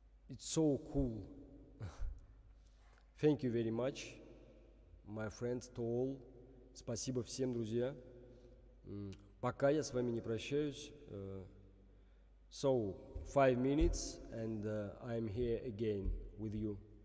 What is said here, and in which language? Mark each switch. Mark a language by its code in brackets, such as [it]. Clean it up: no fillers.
[en] It's so cool. Thank you very much, my friends, to all. [ru] Спасибо всем, друзья. Пока я с вами не прощаюсь. [en] So, 5 minutes, and I'm here again with you.